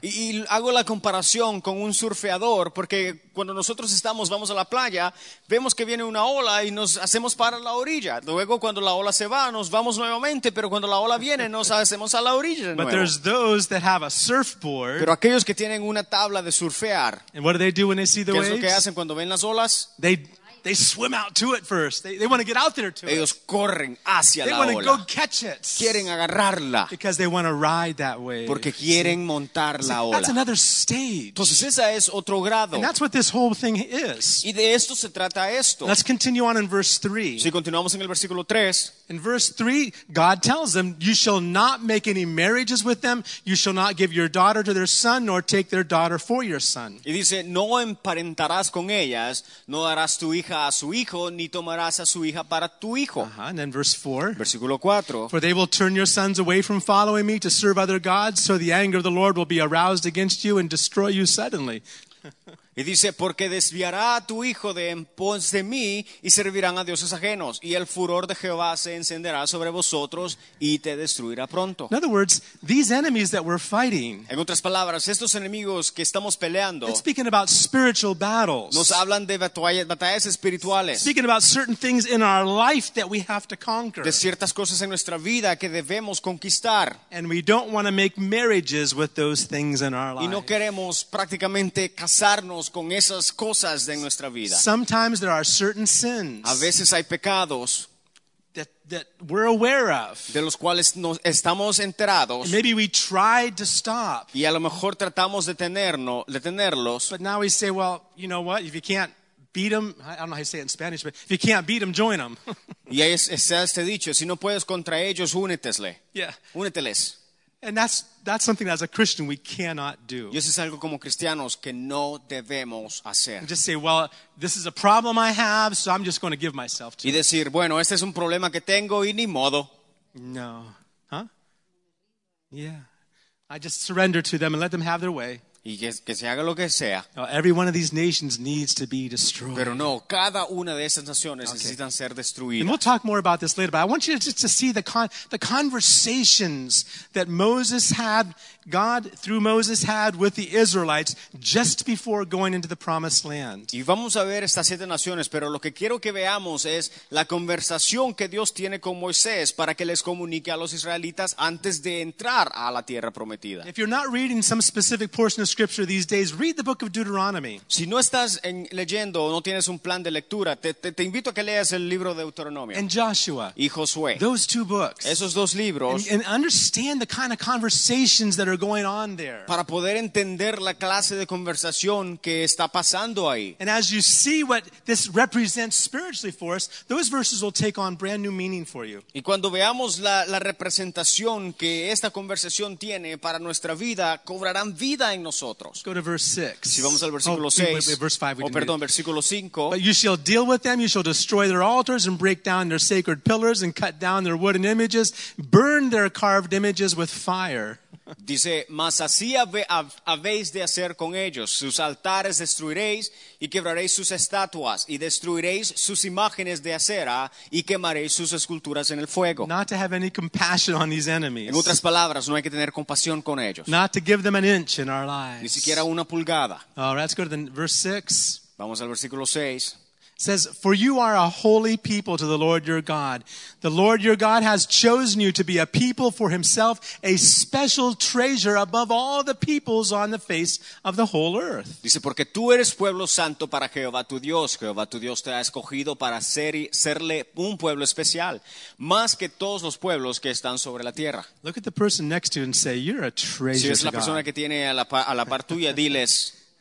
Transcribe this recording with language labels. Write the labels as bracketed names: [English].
[Spanish] Y hago la comparación con un surfeador porque cuando nosotros vamos a la playa, vemos que viene una ola y nos hacemos para la orilla. Luego cuando la ola se va, nos vamos nuevamente, pero cuando la ola viene, nos hacemos a la orilla de nuevo. [English] But there's those that have a surfboard. [Spanish] Pero aquellos que tienen una tabla de surfear. [English] And what do they do when they see the [Spanish] ¿qué [English] waves? [Spanish] ¿Qué es lo que hacen cuando ven las olas? [English] They swim out to it first. They want to get out there to [Spanish] ellos [English] it. [Spanish] Ellos corren hacia [English] they [Spanish] la [English] want [Spanish] ola. [English] To go catch it. [Spanish] Quieren agarrarla. [English] Because they want to ride that wave. [Spanish] Porque quieren so, montar la [English] that's [Spanish] ola. [English] That's another stage. [Spanish] Entonces esa es otro grado. [English] And that's what this whole thing is. [Spanish] Y de esto se trata esto. [English] Let's continue on in verse 3. [Spanish] Si continuamos en el versículo 3. [English] In verse 3, God tells them, you shall not make any marriages with them. You shall not give your daughter to their son, nor take their daughter for your son. [Spanish] Y dice, no emparentarás con ellas, no darás tu hija a su hijo, ni tomarás a su hija para tu hijo. [English] Uh-huh. And then verse 4. [Spanish] Versículo 4. [English] For they will turn your sons away from following me to serve other gods, so the anger of the Lord will be aroused against you and destroy you suddenly. [Spanish] Y dice, porque desviará a tu hijo de en pos de mí y servirán a dioses ajenos. Y el furor de Jehová se encenderá sobre vosotros y te destruirá pronto. [English] In other words, these enemies that we're fighting, [Spanish] en otras palabras, estos enemigos que estamos peleando, [English] it's speaking about spiritual battles, [Spanish] nos hablan de batallas espirituales, [English] speaking about certain things in our life that we have to conquer, [Spanish] de ciertas cosas en nuestra vida que debemos conquistar. [English] And we don't want to make marriages with those things in our life. [Spanish] Y no queremos prácticamente casarnos con esas cosas de nuestra vida. [English] Sometimes there are certain sins, [Spanish] a veces hay pecados, [English] that we're aware of, [Spanish] de los cuales nos estamos enterados. [English] Maybe we tried to stop, [Spanish] y a lo mejor tratamos de detenerlos. [English] But now we say, well, you know what? If you can't beat them, I don't know how you say it in Spanish, but if you can't beat them, join them. [Spanish] Y este dicho, si no puedes contra ellos, únetesle. [English] Yeah, [Spanish] úneteles. [English] And that's something as a Christian we cannot do. [Spanish] Y eso es algo como cristianos que no debemos hacer. [English] And just say, well, this is a problem I have, so I'm just going to give myself to it. [Spanish] Y decir, bueno, este es un problema que tengo y ni modo. [English] No. Huh? Yeah. I just surrender to them and let them have their way. [Spanish] Y que se haga lo que sea. [English] Now, every one of these nations needs to be destroyed. [Spanish] Pero no, cada una de esas naciones necesitan ser destruidas. [English] And we'll talk more about this later, but I want you to see the conversations that Moses had, God through Moses had with the Israelites just before going into the promised land. [Spanish] Y vamos a ver estas siete naciones, pero lo que quiero que veamos es la conversación que Dios tiene con Moisés para que les comunique a los israelitas antes de entrar a la tierra prometida. [English] If you're not reading some specific portion of scripture these days, read the book of Deuteronomy. [Spanish] Si no estás leyendo o no tienes un plan de lectura, te invito a que leas el libro de Deuteronomio. [English] And Joshua. [Spanish] Y Josué. [English] Those two books. [Spanish] Esos dos libros. [English] And understand the kind of conversations that are going on there. [Spanish] Para poder entender la clase de conversación que está pasando ahí. [English] And as you see what this represents spiritually for us, those verses will take on brand new meaning for you. [Spanish] Y cuando veamos la representación que esta conversación tiene para nuestra vida, cobrarán vida en nosotros. [English] Go to verse 6. [Spanish] Si vamos al versículo 6. Versículo 5. [English] But you shall deal with them, you shall destroy their altars and break down their sacred pillars and cut down their wooden images, burn their carved images with fire. [Spanish] Dice, mas así habéis de hacer con ellos, sus altares destruiréis y quebraréis sus estatuas y destruiréis sus imágenes de acera y quemaréis sus esculturas en el fuego. [English] Not to have any compassion on these enemies. [Spanish] En otras palabras, no hay que tener compasión con ellos. [English] Not to give them an inch in our lives. [Spanish] Ni siquiera una pulgada. [English] All right, let's go to verse 6. [Spanish] Vamos al versículo 6. [English] Says, for you are a holy people to the Lord your God. The Lord your God has chosen you to be a people for himself, a special treasure above all the peoples on the face of the whole earth. [Spanish] Dice, porque tú eres pueblo santo para Jehová tu Dios. Jehová tu Dios te ha escogido para serle un pueblo especial, más que todos los pueblos que están sobre la tierra. [English] Look at the person next to you and say, you're a treasure to God. [Spanish] Si es la persona que tiene a la par tuya, diles,